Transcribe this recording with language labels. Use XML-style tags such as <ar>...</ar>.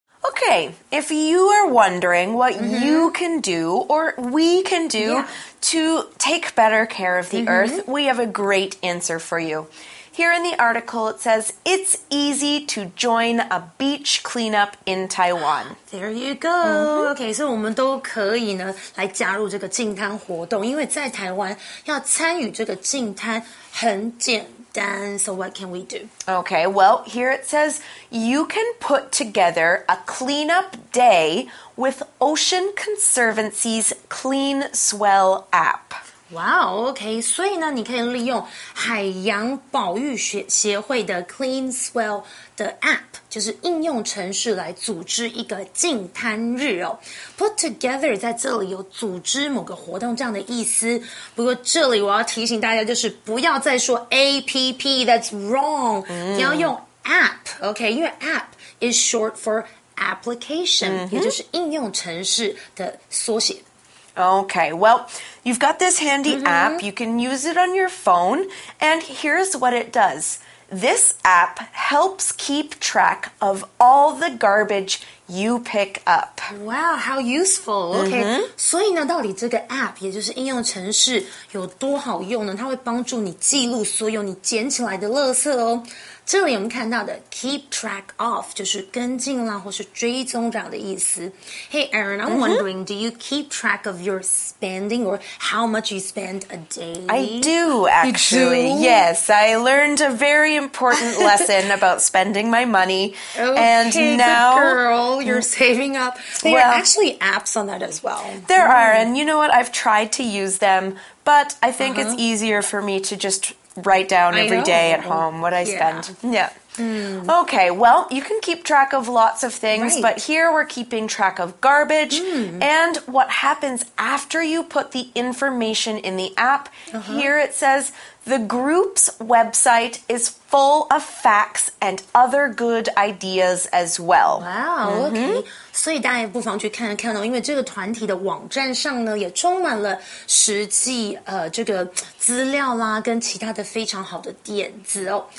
<en>Okay, if you are wondering what you can do or we can do to take better care of the earth, we have a great answer for you. Here in the article, it says, it's easy to join a beach cleanup in Taiwan. There you go.</en> <zh>Okay, so 我们都可以呢来加入这个净滩活动，因为在台湾要参与这个净滩很简单。</zh> <en>So what can we do? Okay, well, here it says you can put together a cleanup day with Ocean Conservancy's Clean Swell app.</en> <zh>Wow, OK, 所以呢，你可以利用海洋保育协会的 Clean Swell 的 App， 就是应用程式来组织一个净滩日哦。 Put together 在这里有组织某个活动这样的意思。不过这里我要提醒大家，就是不要再说 APP，</zh> <en>that's wrong，</en> <zh>你要用 App， OK， 因为</zh> <en>App is short for application，</en> <zh>也就是应用程式的缩写。</zh> <en>Okay, well, you've got this handy app. You can use it on your phone. And here's what it does. This app helps keep track of all the garbage you pick up. Wow, how useful.</en> <zh>Okay, 所以呢，到底这个 app, 也就是应用程式有多好用呢？它会帮助你记录所有你捡起来的垃圾哦。这里我们看到的 keep track of 就是跟进啦或是追踪这样的意思。</zh> <en>Hey Aaron, I'm wondering, do you keep track of your spending or how much you spend a day? I do, actually. You do? Yes, I learned a very important lesson about spending my money. Okay, and now, girl, you're saving up. There well, are actually apps on that as well. There are, and you know what? I've tried to use them, but I think it's easier for me to just... write down every day at home what I spend. Yeah. Okay, well, you can keep track of lots of things, but here we're keeping track of garbage and what happens after you put the information in the app. Here it says, the group's website is full of facts and other good ideas as well. Wow, okay.</en> <zh>所以大家也不妨去看看哦，因为这个团体的网站上呢，也充满了实际这个资料啦，跟其他的非常好的点子哦。</zh>